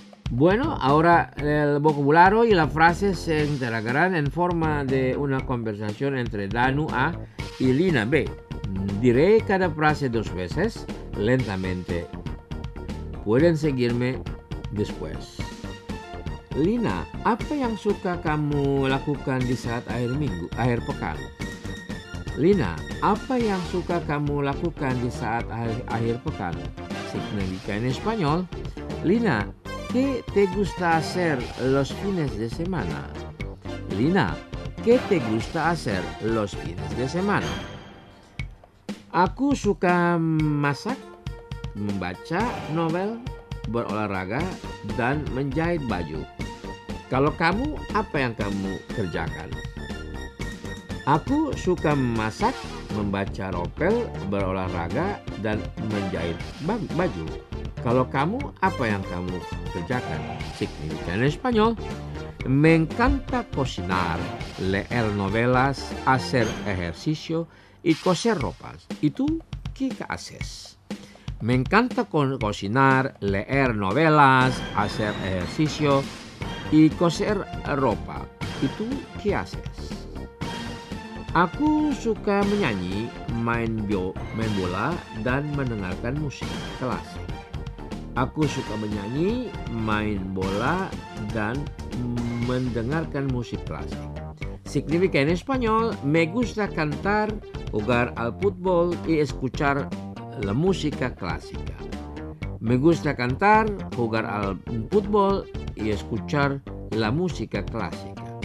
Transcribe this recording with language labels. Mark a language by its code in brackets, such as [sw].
[es] Bueno, ahora el vocabulario y la frase se integrarán en forma de una conversación entre Danu A y Lina B. Diré cada frase dos veces, lentamente. Pueden seguirme después. [id] Lina, apa yang suka kamu lakukan di saat akhir minggu, akhir pekan? Lina, apa yang suka kamu lakukan di saat akhir pekan? [es] Significa en español. Lina, ¿qué te gusta hacer los fines de semana? Lina, ¿qué te gusta hacer los fines de semana? [id] Aku suka masak, membaca novel, berolahraga, dan menjahit baju. Kalau kamu, apa yang kamu kerjakan? Aku suka masak, membaca novel, berolahraga, dan menjahit baju. Kalau kamu, apa yang kamu kerjakan? [es] Significa en español. Me encanta cocinar, leer novelas, hacer ejercicio y coser ropas. ¿Y tú qué haces? Me encanta cocinar, leer novelas, hacer ejercicio y coser ropa. ¿Y tú qué haces? [id] Aku suka menyanyi, main bola, dan mendengarkan musik klasik. Aku suka menyanyi, main bola, dan mendengarkan musik klasik. [es] Significa en español, me gusta cantar, jugar al fútbol y escuchar la música clásica. Me gusta cantar, jugar al fútbol y escuchar la música clásica.